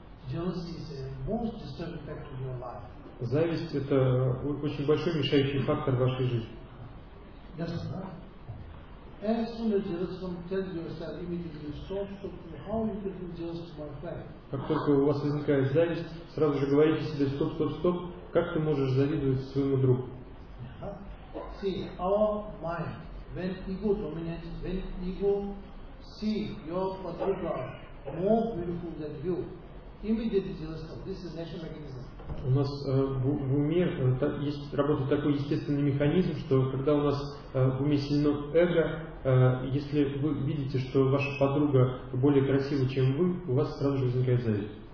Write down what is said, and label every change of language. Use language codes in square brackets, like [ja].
[en] Jealousy is a most disturbing factor in your life. [ru] Зависть это очень большой мешающий фактор в вашей жизни. [en] Yes, sir. As soon as jealousy comes, tell yourself immediately, stop. How you can feel jealous to my friend? [ru] Как только у вас возникает зависть, сразу же говорите себе стоп. Как ты можешь завидовать своему другу? [en] See, our mind, when ego dominates, when ego see your particular more beautiful than you, immediately jealous. This is natural mechanism. [ru] У нас в уме есть работает такой естественный механизм, что когда у нас в уме сильно эго, если вы видите, что ваша подруга более красива, чем вы, у вас сразу же возникает зависть.